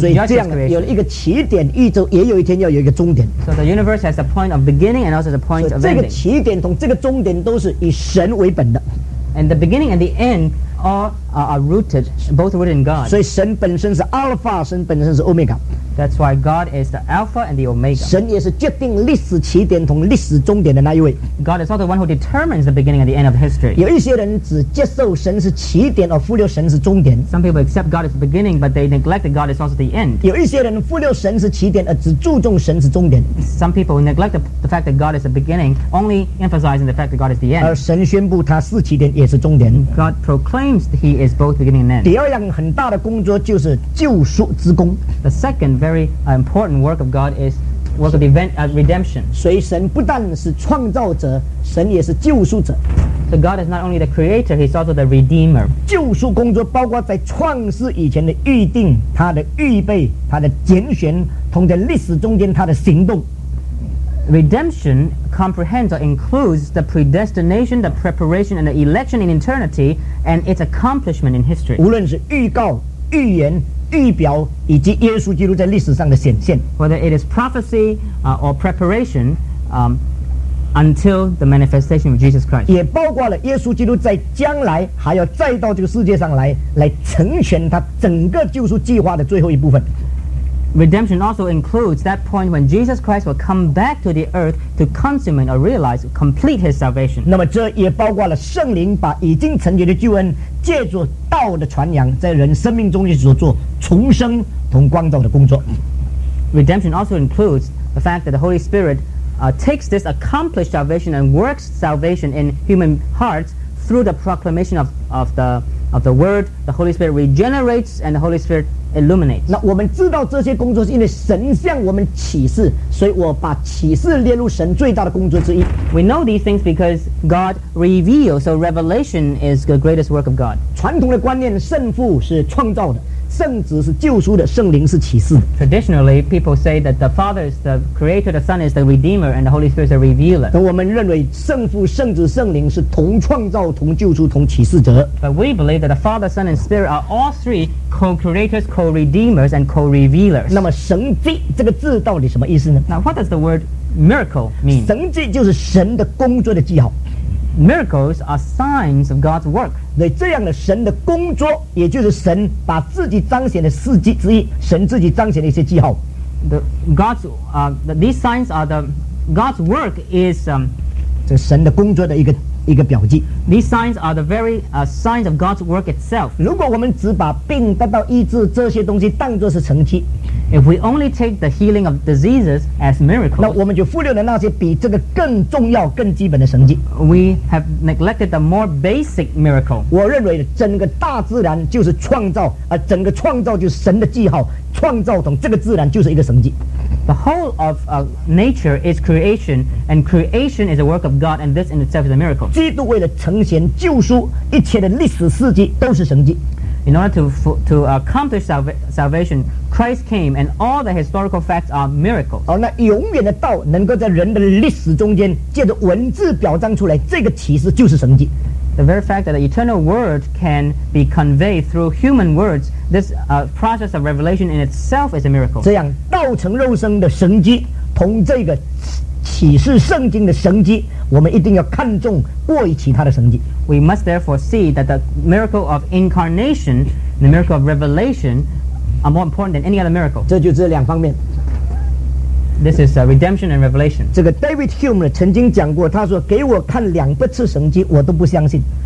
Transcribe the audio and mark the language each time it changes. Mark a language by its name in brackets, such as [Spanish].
[Chinese] 所以这样有一个起点，宇宙也有一天要有一个终点。 [English] So the universe has a point of beginning and also the point of ending. [Chinese] 这个起点同这个终点都是以神为本的。 [English] And the beginning and the end are rooted, both rooted in God. [Chinese] 所以神本身是 Alpha, 神本身是 Omega. [English] That's why God is the Alpha and the Omega. [Chinese] 神也是决定历史起点同历史终点的那一位。 [English] God is also the one who determines the beginning and the end of history. [Chinese] 有一些人只接受神是起点而忽略神是终点。 [English] Some people accept God is the beginning, but they neglect that God is also the end. [Chinese] 有一些人忽略神是起点而只注重神是终点。 [English] Some people neglect the fact that God is the beginning, only emphasizing the fact that God is the end. [Chinese] 而神宣布他是起点也是终点。 [English] God proclaims that He is both beginning and end. [Chinese] 第二样很大的工作就是救赎之工。 [English] The second very important work of God is work of redemption. [Chinese] 所以神不但是创造者，神也是救赎者。 [English] So God is not only the creator, He's also the redeemer. [Chinese] 救赎工作包括在创世以前的预定、他的预备、他的拣选，同在历史中间他的行动。 [English] Redemption comprehends or includes the predestination, the preparation, and the election in eternity, and its accomplishment in history. [Chinese] 无论是预告、预言、预表以及耶稣基督在历史上的显现。 [English] Whether it is prophecy or preparation, until the manifestation of Jesus Christ. [Chinese] 也包括了耶稣基督在将来还要再到这个世界上来，来成全他整个救赎计划的最后一部分。 [English] Redemption also includes that point when Jesus Christ will come back to the earth to consummate or realize, complete His salvation. [Chinese] 那么这也包括了圣灵把已经成就的救恩借助道的传扬，在人生命中所做重生同光照的工作。 [English] Redemption also includes the fact that the Holy Spirit takes this accomplished salvation and works salvation in human hearts through the proclamation of the Word. The Holy Spirit regenerates and the Holy Spirit illuminates. [Chinese] 那我们知道这些工作是因为神向我们启示，所以我把启示列入神最大的工作之一。 [English] We know these things because God reveals, so revelation is the greatest work of God. [Chinese] 传统的观念，圣父是创造的，圣子是救赎的，圣灵是启示的。 [English] Traditionally, people say that the Father is the Creator, the Son is the Redeemer, and the Holy Spirit is the Revealer. [Chinese] 我们认为圣父、圣子、圣灵是同创造、同救赎、同启示者。 [English] But we believe that the Father, Son, and Spirit are all three co-creators, co-redeemers, and co-revealers. [Chinese] 那么神迹这个字到底什么意思呢？ [English] Now, what does the word miracle mean? [Chinese] 神迹就是神的工作的记号。 [English] Miracles are signs of God's work. [Chinese] 对，这样的神的工作，也就是神把自己彰显的事迹之一，神自己彰显的一些记号。 [English] These signs are the God's work is [Chinese] 这神的工作的一个表记。 [English] These signs are the very signs of God's work itself. [Chinese] 如果我们只把病得到医治这些东西当作是神迹， [English] If we only take the healing of diseases as miracles, [Chinese] 那我们就忽略了那些比这个更重要更基本的神迹。 [English] We have neglected the more basic miracle. [Chinese] 我认为整个大自然就是创造，而整个创造就是神的记号，创造中这个自然就是一个神迹。 [English] The whole of nature is creation, and creation is a work of God, and this in itself is a miracle. [Chinese] 基督为了成全救赎，一切的历史事迹都是神迹。 [English] In order to accomplish salvation, Christ came, and all the historical facts are miracles. [Chinese] 哦，那永远的道能够在人的历史中间借着文字表彰出来，这个启示就是神迹。 [English] The very fact that the eternal word can be conveyed through human words, this process of revelation in itself is a miracle. [Chinese] 这样道成肉身的神迹同这个启示圣经的神迹，我们一定要看重过于其他的神迹。 [English] We must therefore see that the miracle of incarnation, the miracle of revelation, are more important than any other miracle. [Chinese] 这就是两方面。 [English] This is redemption and revelation. [Chinese] 这个 David Hume 曾经讲过，他说给我看两百次神迹我都不相信。